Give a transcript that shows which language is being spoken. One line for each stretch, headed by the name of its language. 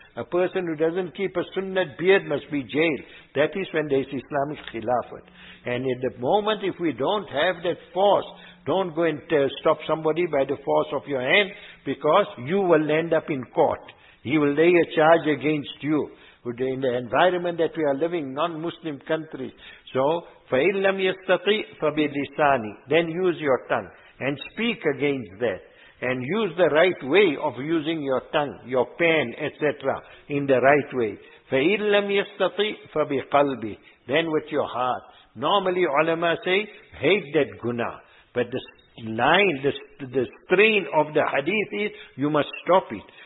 English: A person who doesn't keep a sunnat beard must be jailed. That is when there is Islamic Khilafat. And at the moment, if we don't have that force, don't go and stop somebody by the force of your hand, because you will end up in court. He will lay a charge against you. In the environment that we are living, non-Muslim countries. So,
Arabic: فَإِن لَمْ يَسْتَطِي فَبِلِسَانِي.
English: Then use your tongue and speak against that. And use the right way of using your tongue, your pen, etc. in the right way.
Arabic: فَإِن لَمْ يَسْتَطِي فَبِقَلْبِي.
English: Then with your heart. Normally, ulama say, hate that guna. But the line, the strain of the hadith is, you must stop it.